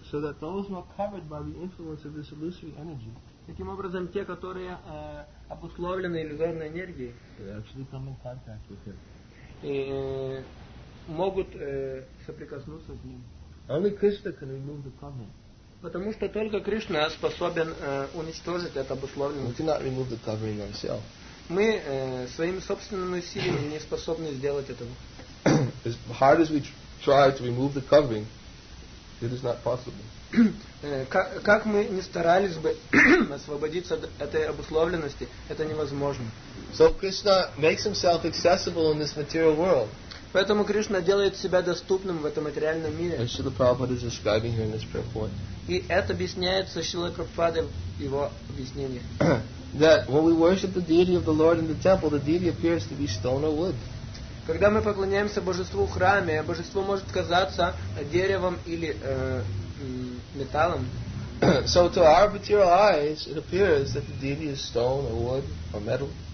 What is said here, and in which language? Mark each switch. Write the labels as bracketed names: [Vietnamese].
[English] So that those who are covered by the influence of this illusory energy. [Russian] Таким образом, те, которые обусловлены иллюзорной энергией, [English] they actually come in contact with him. [Russian] И могут соприкоснуться с ним. [English] Only Krishna can remove the covering. [Russian] Потому что только Кришна способен уничтожить это обусловленное. [English] We cannot remove the covering ourselves. [Russian] Мы своими собственными усилиями не способны сделать этого. [English] As hard as we try to remove the covering, it is not possible. [Russian] Как мы ни старались бы освободиться от этой обусловленности, это невозможно. [English] So Krishna makes himself accessible in this material world. [Russian] Поэтому Кришна делает себя доступным в этом материальном мире. [English] As Srila Prabhupada is describing here in this prayer point. [Russian] И это объясняется Шрилой Прабхупадой в его объяснении. [English] That when we worship the deity of the Lord in the temple, the deity appears to be stone or wood. [Russian] Когда мы поклоняемся божеству в храме, божество может казаться деревом или металлом. [English] So to our material eyes, it appears that the deity is stone or wood or metal.